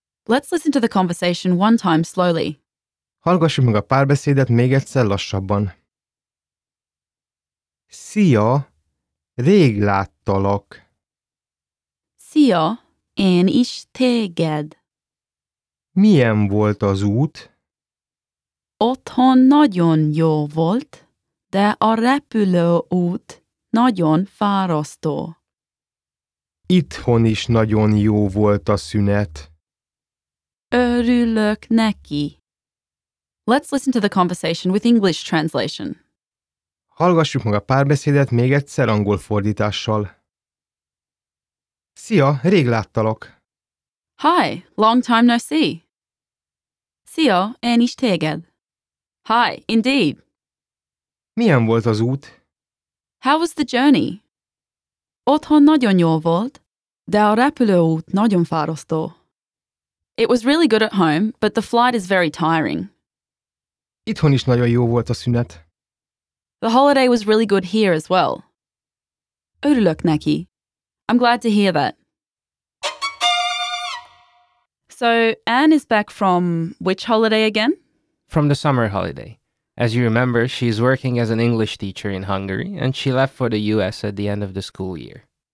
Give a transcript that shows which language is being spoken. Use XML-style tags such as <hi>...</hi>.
<en>Let's listen to the conversation one time slowly.</en> <hu>Hallgassuk meg a párbeszédet még egyszer lassabban. Szia, rég láttalak. Szia, én is téged. Milyen volt az út? Otthon nagyon jó volt, de a repülőút nagyon fárasztó. Itthon is nagyon jó volt a szünet. Örülök neki.</hu> <en>Let's listen to the conversation with English translation.</en> <hu>Hallgassuk meg a párbeszédet még egyszer angol fordítással. Szia, rég láttalak.</hu> <en>Hi, long time no see.</en> <hu>Szia, én is téged.</hu> <en>Hi, indeed.</en> <hu>Milyen volt az út?</hu> <en>How was the journey?</en> <hu>Otthon nagyon jó volt, de a repülőút nagyon fárasztó.</hu> <en>It was really good at home, but the flight is very tiring.</en> <hu>Itthon is nagyon jó volt a szünet.</hu> <en>The holiday was really good here as well.</en> <hu>Örülök neki.</hu> <en>I'm glad to hear that. So, Anne is back from which holiday again? From the summer holiday. As you remember, she's working as an English teacher in Hungary, and she left for the US at the end of the school year.</en>